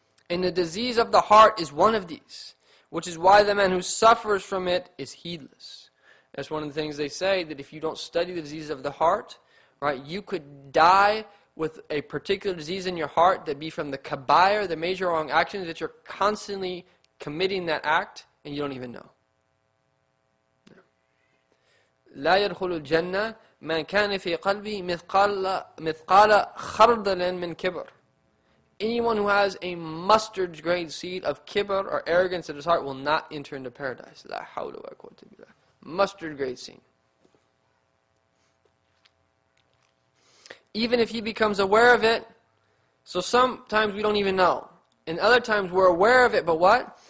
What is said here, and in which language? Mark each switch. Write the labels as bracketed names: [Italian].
[English] And the disease of the heart is one of these, which is why the man who suffers from it is heedless. That's one of the things they say, that if you don't study the disease of the heart, right, you could die with a particular disease in your heart that be from the kabair, the major wrong actions, that you're constantly committing that act, and you don't even know. [Arabic] لا يدخل الجنة من كان في قلبي مثقال خردل من كبر. [English] Anyone who has a mustard grain seed of kibr or arrogance in his heart will not enter into paradise. [Arabic] لا حول ولا قوة إلا بالله. [English] Mustard grain seed. Even if he becomes aware of it, so sometimes we don't even know, and other times we're aware of it, but what?